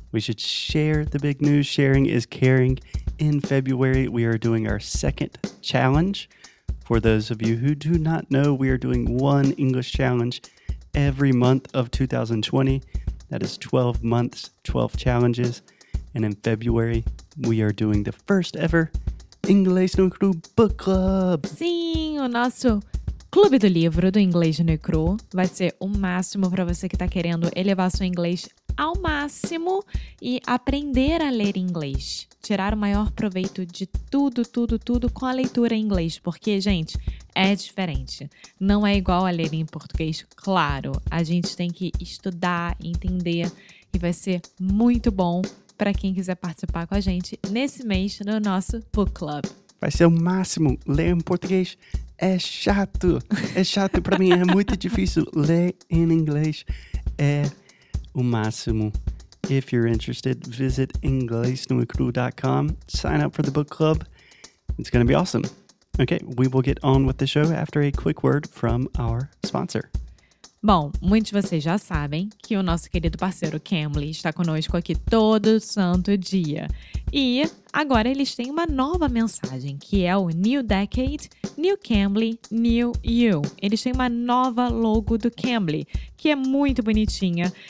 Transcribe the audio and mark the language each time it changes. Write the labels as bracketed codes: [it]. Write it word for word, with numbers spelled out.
[en] We should share the big news. Sharing is caring. In February, we are doing our second challenge. For those of you who do not know, we are doing one English challenge every month of two thousand twenty. That is twelve months, twelve challenges. And in February, we are doing the first ever Inglês no Cru Book Club. [pt] Sim, o nosso Clube do Livro do Inglês no Cru vai ser o máximo para você que está querendo elevar seu inglês ao máximo e aprender a ler inglês. Tirar o maior proveito de tudo, tudo, tudo com a leitura em inglês, porque, gente, é diferente. Não é igual a ler em português, claro. A gente tem que estudar, entender e vai ser muito bom para quem quiser participar com a gente nesse mês no nosso Book Club. Vai ser o máximo. Ler em português é chato. É chato pra mim, é muito difícil. Ler em inglês é o máximo. [en] If you're interested, visit inglês no cru dot com. Sign up for the book club. It's going to be awesome. Okay, we will get on with the show after a quick word from our sponsor. [pt] Bom, muitos de vocês já sabem que o nosso querido parceiro Cambly está conosco aqui todo santo dia. E agora eles têm uma nova mensagem, que é o [en] New Decade, New Cambly, New You. [pt] Eles têm uma nova logo do Cambly, que é muito bonitinha.